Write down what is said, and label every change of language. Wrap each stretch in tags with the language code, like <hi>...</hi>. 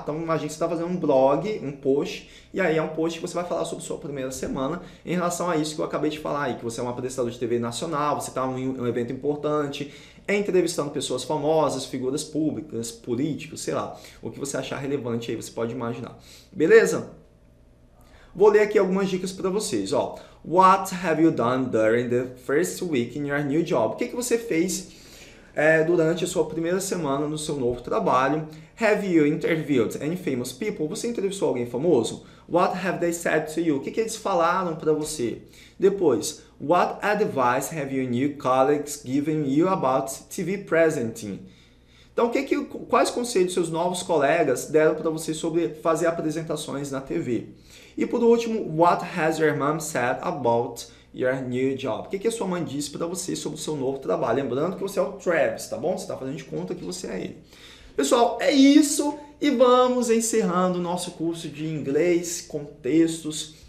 <pt>Então, imagine que você está fazendo um blog, um post, e aí é um post que você vai falar sobre sua primeira semana em relação a isso que eu acabei de falar aí, que você é um apresentador de TV nacional, você está em um evento importante, entrevistando pessoas famosas, figuras públicas, políticos, sei lá, o que você achar relevante aí, você pode imaginar. Beleza? Vou ler aqui algumas dicas para vocês, ó.</pt> <en>What have you done during the first week in your new job?</en> <pt>O que você fez durante a sua primeira semana no seu novo trabalho.</pt> <en>Have you interviewed any famous people?</en> <pt>Você entrevistou alguém famoso?</pt> <en>What have they said to you?</en> <pt>O que, que eles falaram para você? Depois,</pt> <en>what advice have your new colleagues given you about TV presenting?</en> <pt>Então, quais conselhos seus novos colegas deram para você sobre fazer apresentações na TV? E por último,</pt> <en>what has your mom said about your new job?</en> <pt>O que, que a sua mãe disse para você sobre o seu novo trabalho? Lembrando que você é o Travis, tá bom? Você está fazendo de conta que você é ele. Pessoal, é isso e vamos encerrando o nosso curso de inglês com textos.</pt>